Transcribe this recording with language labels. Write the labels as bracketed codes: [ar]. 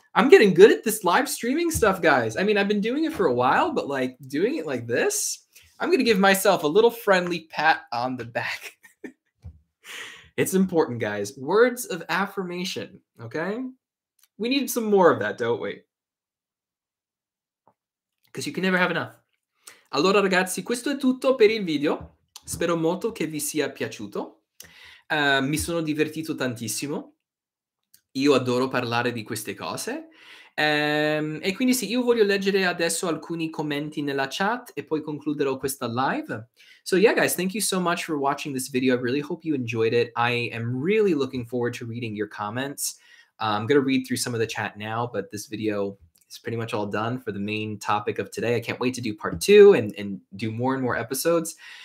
[en] I'm getting good at this live streaming stuff, guys. I mean, I've been doing it for a while, but like doing it like this, I'm going to give myself a little friendly pat on the back. It's important, guys. Words of affirmation. Okay. We need some more of that, don't we? Because you can never have enough. [it] Allora, ragazzi, questo è tutto per il video. Spero molto che vi sia piaciuto. Mi sono divertito tantissimo. Io adoro parlare di queste cose. E quindi sì, io voglio leggere adesso alcuni commenti nella chat e poi concluderò questa live. [en] So yeah, guys, thank you so much for watching this video. I really hope you enjoyed it. I am really looking forward to reading your comments. I'm going to read through some of the chat now, but this video is pretty much all done for the main topic of today. I can't wait to do part two and do more and more episodes.